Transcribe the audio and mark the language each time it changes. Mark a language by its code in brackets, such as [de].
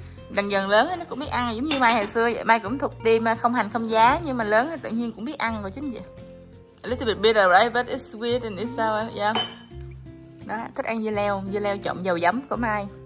[vi] Dần dần lớn nó cũng biết ăn, giống như Mai hồi xưa vậy. Mai cũng thuộc team không hành không giá, nhưng mà lớn tự nhiên cũng biết ăn cô chú anh chị. [en] A little bit bitter, right? But it's sweet and it's sour, yeah. [vi] Đó, thích ăn dưa leo trộn dầu giấm của Mai.